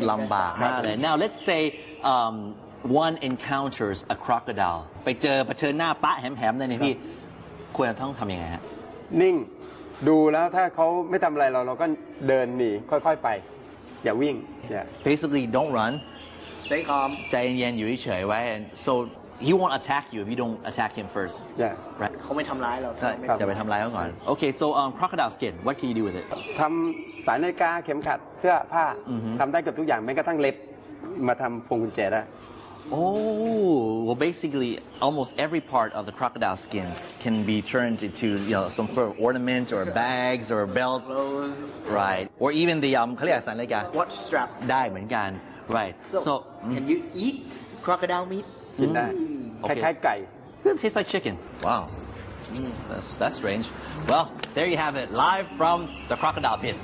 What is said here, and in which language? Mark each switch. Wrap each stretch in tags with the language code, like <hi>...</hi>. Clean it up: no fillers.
<th>ลำบากมากเลย</th> <en>Now let's say one encounters a crocodile</en> <th>ไปเจอเผชิญหน้าปะแหมๆเลยนี่พี่ควรต้องทำยังไงฮะ นิ่งดูแล้วถ้าเขาไม่ทำอะไรเราก็เดินหนีค่อยๆไปอย่าวิ่ง</th> <en>Basically don't run Stay calm. Stay in yen,</en> <th>อยู่เฉยไว้</th> <en>So he won't attack you if you don't attack him first. Yeah. Right.</en> <th>เขาไม่ทำร้ายเรา ใช่จะไปทำร้ายเขาก่อน</th> <en>Okay. So crocodile skin. What can you do with it?</en> <th>ทำสายนาฬิกาเข็มขัดเสื้อผ้าทำได้เกือบทุกอย่างแม้กระทั่งเล็บมาทำพวงกุญแจได้</th> <en>Oh. Well, basically, almost every part of the crocodile skin can be turned into you know some sort of ornament or bags or belts. Clothes. Right. Or even the</en> <th>เขาเรียกสายนาฬิกา</th> <en>Watch strap.</en> <th>ได้เหมือนกัน</th> <en>Right. So, can you eat crocodile meat? Okay. It tastes like chicken. Wow. That's strange. Well, there you have it. Live from the crocodile pit.</en>